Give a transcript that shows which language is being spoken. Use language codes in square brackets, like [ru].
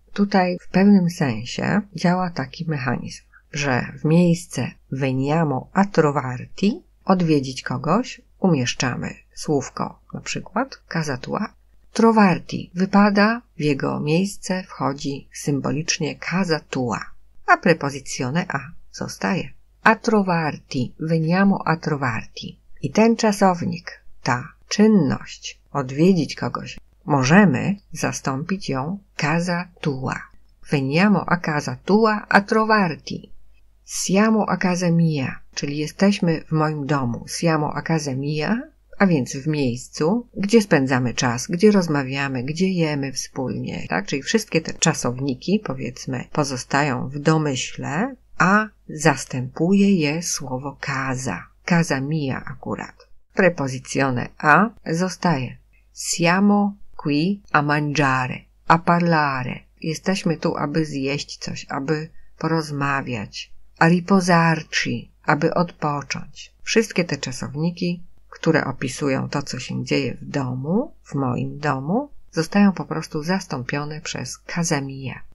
[pl] Tutaj w pewnym sensie działa taki mechanizm, że w miejsce [it] veniamo a trovarti, [pl] odwiedzić kogoś, umieszczamy słówko, na przykład [it] casa tua. [pl] Trovarti wypada, w jego miejsce wchodzi symbolicznie [it] casa tua, [pl] a prepozycjone a zostaje. [it] A trovarti, veniamo a trovarti. [pl] I ten czasownik, ta czynność, odwiedzić kogoś. Możemy zastąpić ją [it] casa tua. Veniamo a casa tua a trovarti. Siamo a casa mia, [pl] czyli jesteśmy w moim domu. [it] Siamo a casa mia, [pl] a więc w miejscu, gdzie spędzamy czas, gdzie rozmawiamy, gdzie jemy wspólnie. Tak? Czyli wszystkie te czasowniki, powiedzmy, pozostają w domyśle, a zastępuje je słowo casa. [it] Casa mia [pl] akurat. Prepozycjone a zostaje. [it] Siamo qui a mangiare, a parlare. [pl] Jesteśmy tu, aby zjeść coś, aby porozmawiać. [it] A riposarci, [pl] aby odpocząć. Wszystkie te czasowniki, które opisują to, co się dzieje w domu, w moim domu, zostają po prostu zastąpione przez kazemiję.